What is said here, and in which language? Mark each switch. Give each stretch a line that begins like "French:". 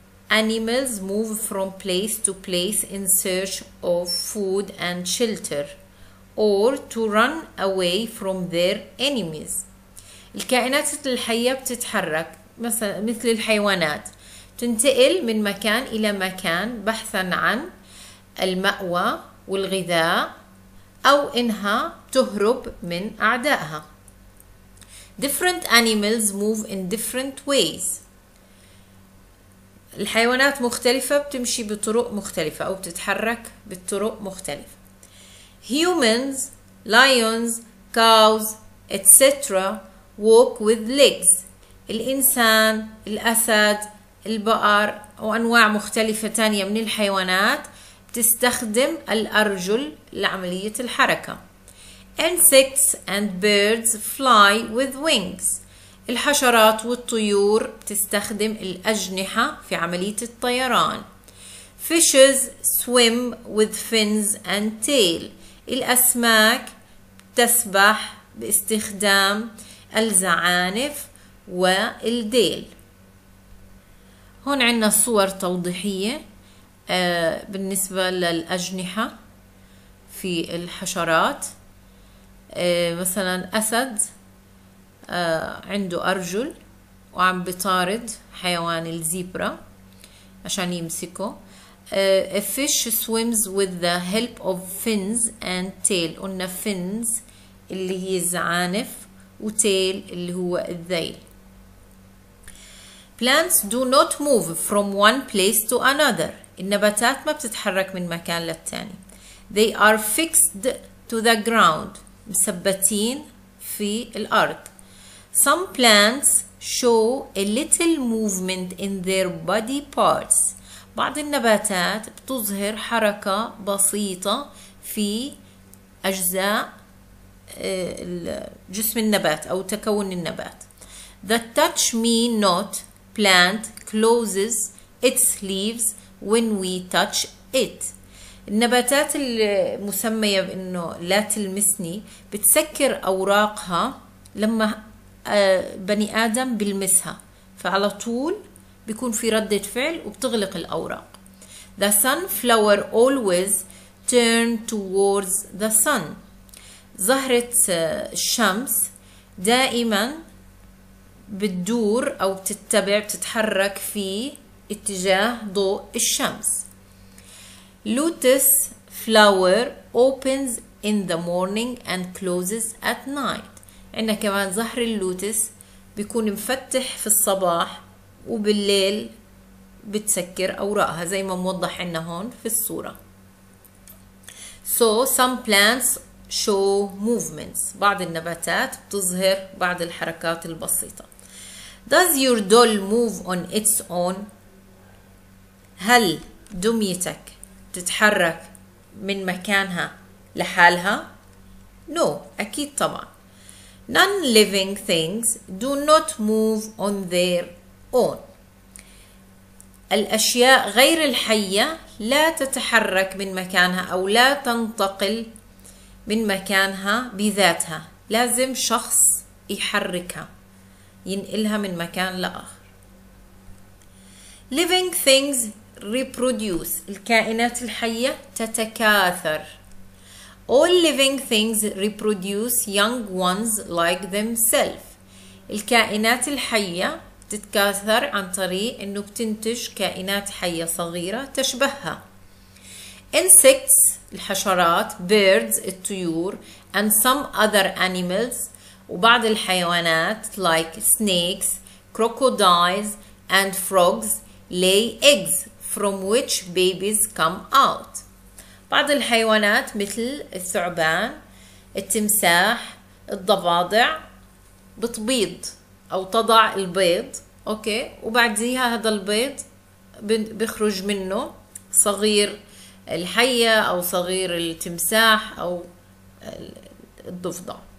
English: Animals move from place to place in search of food and shelter، or to run away from their enemies.
Arabic: الكائنات الحية بتتحرك مثلا مثل الحيوانات، تنتقل من مكان إلى مكان بحثا عن المأوى والغذاء، أو إنها تهرب من أعدائها.
English: Different animals move in different ways.
Arabic: الحيوانات مختلفة بتمشي بطرق مختلفة أو بتتحرك بطرق مختلفة.
English: Humans, lions, cows, etc. walk with legs.
Arabic: الإنسان، الأسد، البقر وأنواع مختلفة تانية من الحيوانات تستخدم الأرجل لعملية الحركة.
English: Insects and birds fly with wings.
Arabic: الحشرات والطيور تستخدم الأجنحة في عملية الطيران.
English: Fishes swim with fins and tail.
Arabic: الأسماك تسبح باستخدام الزعانف والديل. هون عنا صور توضيحية بالنسبة للأجنحة في الحشرات. مثلا أسد عنده أرجل وعم بطارد حيوان الزيبرا عشان يمسكه.
English: A fish swims with the help of fins and tail.
Arabic: قلنا fins اللي هي الزعانف وtail اللي هو الذيل.
English: Plants do not move from one place to another.
Arabic: النباتات ما بتتحرك من مكان للتاني.
English: They are fixed to the ground.
Arabic: مثبتين في الأرض.
English: Some plants show a little movement in their body parts.
Arabic: بعض النباتات بتظهر حركة بسيطة في أجزاء جسم النبات أو تكون النبات.
English: The touch me not plant closes its leaves when we touch it.
Arabic: النباتات المسمية بأنه لا تلمسني بتسكر أوراقها لما بني آدم بلمسها، فعلى طول بيكون في ردة فعل وبتغلق الأوراق.
English: The sunflower always turns towards the sun.
Arabic: زهرة الشمس دائما بتدور أو بتتبع بتتحرك في اتجاه ضوء الشمس.
English: Lotus flower opens in the morning and closes at night.
Arabic: عندنا كمان زهر اللوتس بيكون مفتح في الصباح وبالليل بتسكر أوراقها زي ما موضح عنا هون في الصورة.
English: So some plants show movements.
Arabic: بعض النباتات بتظهر بعض الحركات البسيطة.
English: Does your doll move on its own?
Arabic: هل دميتك تتحرك من مكانها لحالها؟
English: No,
Arabic: أكيد طبعا.
English: Non-living things do not move on their own.
Arabic: الأشياء غير الحية لا تتحرك من مكانها أو لا تنتقل من مكانها بذاتها. لازم شخص يحركها، ينقلها من مكان لآخر.
English: Living things reproduce.
Arabic: الكائنات الحية تتكاثر.
English: All living things reproduce young ones like themselves.
Arabic: الكائنات الحية تتكاثر عن طريق انه بتنتج كائنات حية صغيرة تشبهها.
English: Insects الحشرات, birds الطيور, and some other animals
Arabic: وبعض الحيوانات
English: like snakes, crocodiles, and frogs lay eggs from which babies come out.
Arabic: بعض الحيوانات مثل الثعبان, التمساح, الضفادع بتبيض أو تضع البيض, أوكي, وبعديها هذا البيض بيخرج منه صغير الحية أو صغير التمساح أو الضفدع.